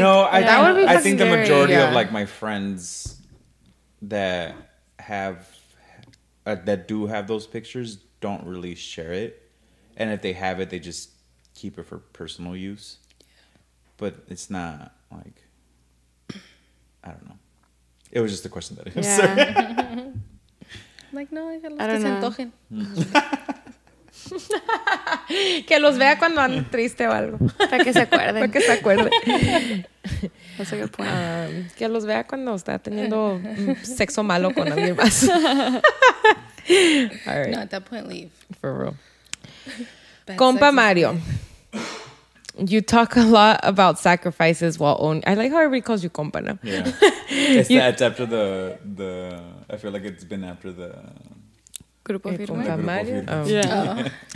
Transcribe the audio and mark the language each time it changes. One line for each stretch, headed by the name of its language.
English: no, I think the majority of like my friends that have, that do have those pictures don't really share it. And if they have it, they just keep it for personal use. But it's not like, I don't know. It was just a question that I answered. Yeah. Like, no,
Spanish: que los vea cuando ande triste o algo. Para que se acuerden. Para que se acuerde.
English: That's a good point.
Spanish: Que los vea cuando está teniendo sexo malo con alguien más.
English: All right. No, at that point, leave. For real. Compa Mario, you talk a lot about sacrifices while owning... I like how everybody calls you compa, no? Yeah. It's after the... I feel like it's been after the... Grupo Firme. Grupo Firme.